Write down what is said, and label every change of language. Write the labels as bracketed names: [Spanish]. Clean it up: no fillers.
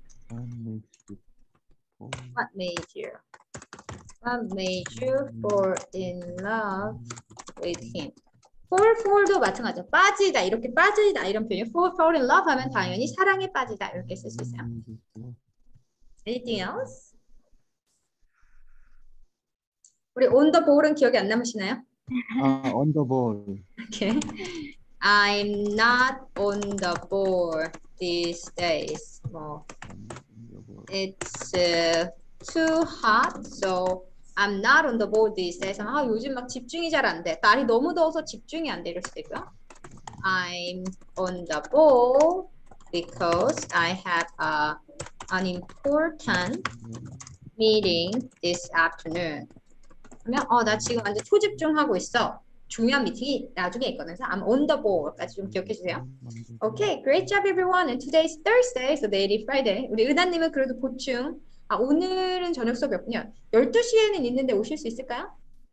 [English] What made you fall in love with him? [Korean] Fall도 마찬가지죠. 빠지다 이렇게 빠지다 이런 표현. Fall in love 하면 당연히 사랑에 빠지다 이렇게 쓸수 있어요. [English] Anything else? [Korean] 우리 on the ball은 기억이 안 남으시나요? [English] On the ball. Okay. I'm not on the ball these days. 뭐, it's too hot, so. I'm not on the ball these days. [Korean] 아, 요즘 막 집중이 잘안 돼. 날이 너무 더워서 집중이 안 돼. 이럴 수도 있고요. [English] I'm on the ball because I have an important meeting this afternoon. [Korean] 그러면 나 지금 완전 초집중하고 있어. 중요한 미팅이 나중에 있거든. 그래서 I'm on the ball까지 좀 기억해 주세요. [English] Okay, great job everyone. And today is Thursday, so [Korean] 내일이 [English] Friday. [Korean] 우리 은하님은 그래도 보충. 아, 오늘은 저녁 수업이 없군요. 12시에는 있는데 오실 수 있을까요?